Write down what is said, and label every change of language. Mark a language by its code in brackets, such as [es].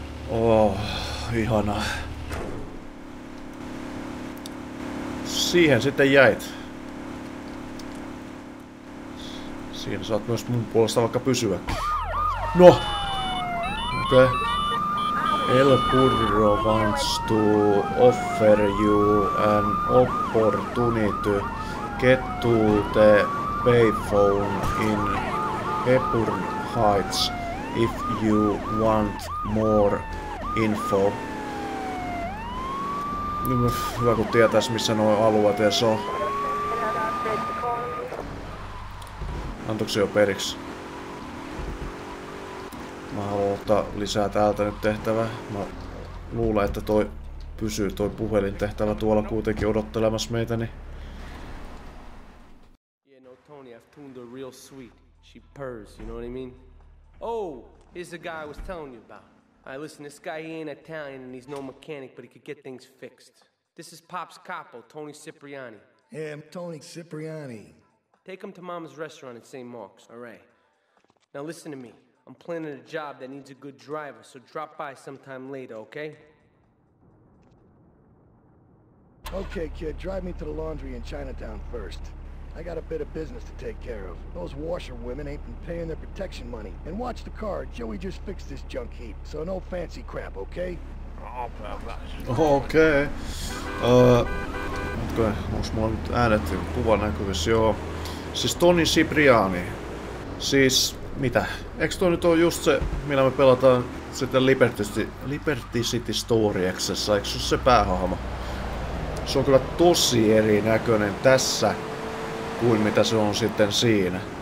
[fi] Oh, ihana. Siihen sitten jäit. Siinä saat myös mun puolesta vaikka pysyä. No! Okei. Okay. [en] El Burro wants to offer you an opportunity get to the payphone in Hepburn Heights if you want more info. [fi] Hyvä kun tietäis missä nuo alueet ja se on. Antoiko se jo periksi? Mä haluan ottaa lisää täältä nyt tehtävää. Mä luulen, että toi pysyy toi puhelintehtävä tuolla kuitenkin odottelemassa meitä, niin. [en] Yeah, no, Tony, I've tuned her real sweet. She purrs, you know what I mean? Oh, here's the guy I was telling you about. I listen, this guy, he ain't Italian and he's no mechanic, but he could get things fixed. This is Pop's capo, Tony Cipriani. Yeah, I'm Tony Cipriani. Take him to Mama's restaurant at St. Mark's, all right? Now listen to me. I'm planning a job that needs a good driver, so drop by sometime later, okay? Okay, kid, drive me to the laundry in Chinatown first. I got a bit of business to take care of. Those washerwomen ain't been paying their protection money. And watch the car. Joey just fixed this junk heap, so no fancy crap, okay? Okay. [fi] Onks mulla nyt äänetty kuva näkyvissä? Joo. Siis Tony Cipriani. Siis mitä? Eiks toi nyt oo just se, millä me pelataan sitten Liberty City Storyxessa? Eiks se päähahmo? Se on kyllä tosi erinäköinen tässä kuin mitä se on sitten siinä.